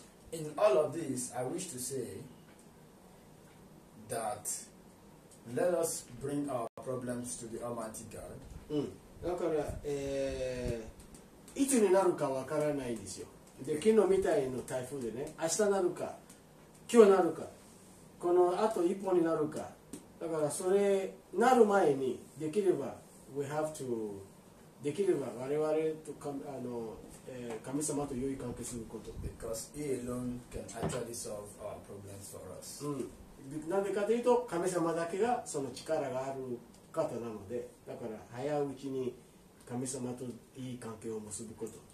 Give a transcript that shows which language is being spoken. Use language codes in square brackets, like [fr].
[en] In all of this, I wish to say that let us bring our problems to the Almighty God.、 [ja] うん、だから、いつになるかわからないんですよ。で、昨日みたいの台風でね、明日なるか、今日なるか、このあと一歩になるか。だからそれなる前にできれば、 [en] we have to [ja] できれば我々とかあの、神様と良い関係すること。 [en] Because He alone can actually solve our problems for us. [ja] うん。なんでかというと、神様だけがその力がある。方なので、だから早いうちに神様といい関係を結ぶこと。